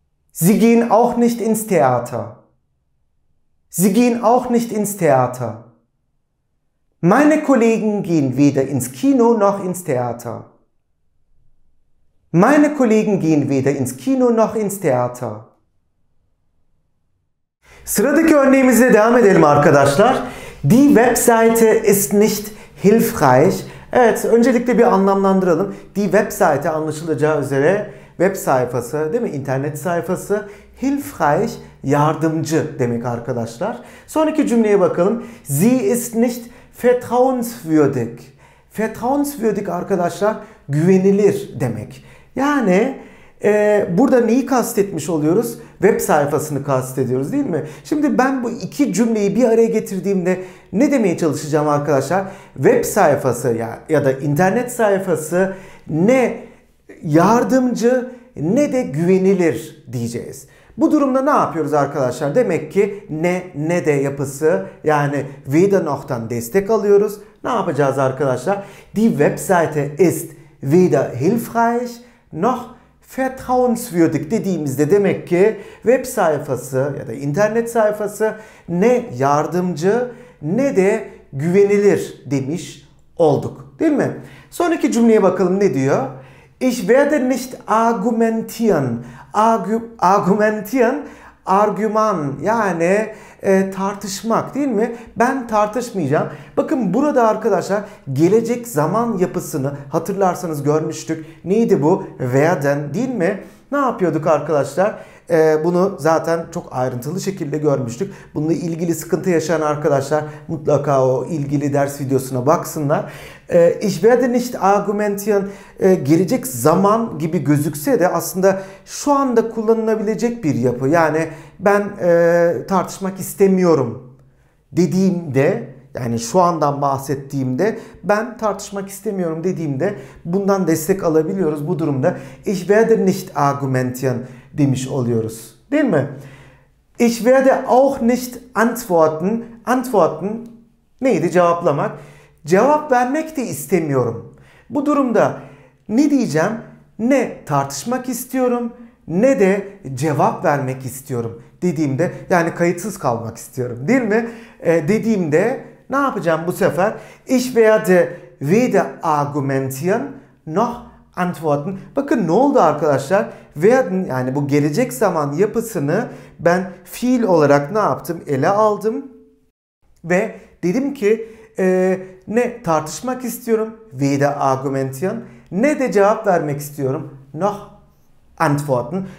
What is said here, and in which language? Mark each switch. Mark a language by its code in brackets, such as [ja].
[de] Sie gehen auch nicht ins Theater. Sie gehen auch nicht ins Theater. Meine Kollegen gehen weder ins Kino noch ins Theater. Meine Kollegen gehen weder ins Kino noch ins Theater. [tr] Sıradaki örneğimize devam edelim arkadaşlar. [de] Die Webseite ist nicht hilfreich. [tr] Evet, öncelikle bir anlamlandıralım. Die Webseite anlaşılacağı üzere web sayfası, değil mi? İnternet sayfası. Hilfreich, yardımcı demek arkadaşlar. Sonraki cümleye bakalım. [de] Sie ist nicht vertrauenswürdig. [tr] Vertrauenswürdig arkadaşlar, güvenilir demek. Yani burada neyi kastetmiş oluyoruz? Web sayfasını kastediyoruz, değil mi? Şimdi ben bu iki cümleyi bir araya getirdiğimde ne demeye çalışacağım arkadaşlar? Web sayfası ya da internet sayfası ne yardımcı ne de güvenilir diyeceğiz. Bu durumda ne yapıyoruz arkadaşlar? Demek ki ne de yapısı, yani wieder noch'tan destek alıyoruz. Ne yapacağız arkadaşlar? [de] Die Webseite ist weder hilfreich noch vertrauenswürdig [tr] dediğimizde demek ki web sayfası ya da internet sayfası ne yardımcı ne de güvenilir demiş olduk. Değil mi? Sonraki cümleye bakalım ne diyor? [de] Ich werde nicht argumentieren. [tr] Argumentieren, argüman, yani tartışmak, değil mi? Ben tartışmayacağım. Bakın burada arkadaşlar gelecek zaman yapısını hatırlarsanız görmüştük. Neydi bu? Werden, değil mi? Ne yapıyorduk arkadaşlar? Bunu zaten çok ayrıntılı şekilde görmüştük. Bununla ilgili sıkıntı yaşayan arkadaşlar mutlaka o ilgili ders videosuna baksınlar. [de] Ich werde nicht argumentieren, [tr] gelecek zaman gibi gözükse de aslında şu anda kullanılabilecek bir yapı. Yani ben tartışmak istemiyorum dediğimde, yani şu andan bahsettiğimde, ben tartışmak istemiyorum dediğimde bundan destek alabiliyoruz bu durumda. [de] Ich werde nicht argumentieren [tr] demiş oluyoruz. Değil mi? [de] Ich werde auch nicht antworten. [tr] Antworten neydi? Cevaplamak. Cevap vermek de istemiyorum. Bu durumda ne diyeceğim? Ne tartışmak istiyorum ne de cevap vermek istiyorum dediğimde, yani kayıtsız kalmak istiyorum, değil mi? Dediğimde ne yapacağım bu sefer? [de] Ich werde weder argumentieren noch antworten. [tr] Bakın ne oldu arkadaşlar? Werden, yani bu gelecek zaman yapısını ben fiil olarak ne yaptım? Ele aldım ve dedim ki ne tartışmak istiyorum, [de] weder argumentieren, [tr] ne de cevap vermek istiyorum, [de] noch antworten.